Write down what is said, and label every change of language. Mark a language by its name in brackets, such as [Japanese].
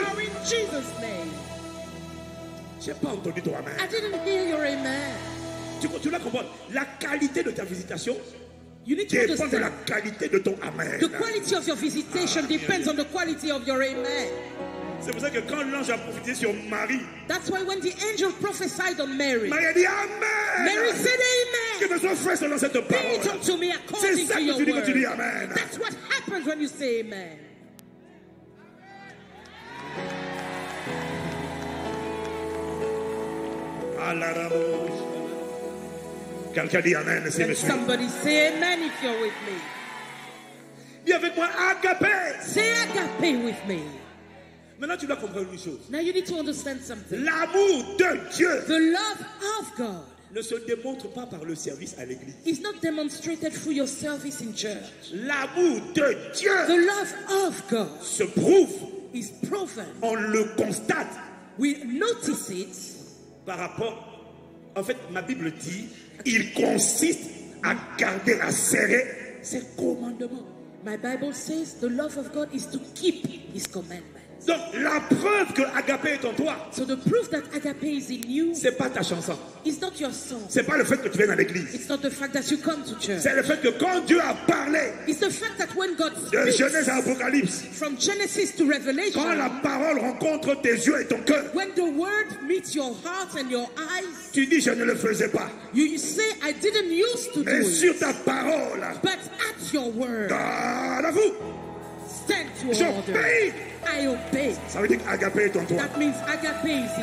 [English] Now in Jesus' name. [French] J'ai pas entendu ton amen. [English] I didn't hear your amen. [French] Tu la comprends? La qualité de ta visitation. [English] You need to [French] dépend [English] understand. [French] De la qualité de ton amen. [English] The quality of your visitation amen. Depends on the quality of your amen. [French] C'est pour ça que quand l'ange a prophétisé sur Marie. [English] That's why when the angel prophesied on Mary. [French] Marie a dit amen. [English] Mary said amen. [French] Que ce soit vrai selon cette parole. [English] Be it to me according to your word. [French] C'est ça que tu dis amen. [English] That's what happens when you say amen. [French] Alara vos. Quelqu'un dit amen, si [English] Can somebody say amen if you're with me. [French] Dis avec moi agapé. [English] Say agapé with me. [French] Maintenant, tu dois comprendre une chose. [English] Now you need to understand something. [French] L'amour de Dieu. [English] The love of God. [French] Ne se démontre pas par le service à l'église. [English] It's not demonstrated through your service in church. [French] L'amour de Dieu. [English] The love of God. [French] Se prouve. [English] Is proven. [French] On le constate. [English] We notice it. [French] Par rapport, en fait, ma Bible dit. Il consiste à garder à serrer ses commandements. [English] My Bible says the love of God is to keep his commandments. [French] Donc la preuve que agapé est en toi. [English] So the proof that agape is in you. [French] C'est pas ta chanson. [English] It's not your song. [French] C'est pas le fait que tu viennes à l'église. [English] It's not the fact that you come to church. [French] C'est le fait que quand Dieu a parlé. [English] It's the fact that when God speaks. [French] De Genèse à Apocalypse. [English] From Genesis to Revelation. [French] Quand la parole rencontre tes yeux et ton cœur. [English] When the word meets your heart and your eyes. [French] Tu dis je ne le faisais pas. [English] You say I didn't used to [French] Mais [English] do it. [French] Mais sur ta parole. [English] But at your word. God à vous. Stand to your order. I obey. [French] Ça veut dire qu'agapé est en toi. [English] That means agape is in